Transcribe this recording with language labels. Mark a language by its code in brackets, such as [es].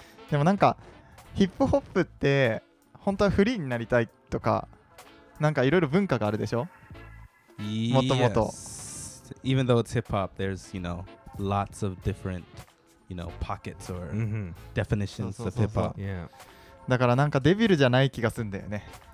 [ja] でもなんかヒップホップって本当はフリーになりたいとかなんかいろいろ文化があるでしょ？もともと。Yes. [en] Even though it's hip hop, there's you know lots of different. You know, pockets or mm-hmm. definitions so, so, of hip hop. Yeah. [ja] だからなんかデビルじゃない気がするんだよね。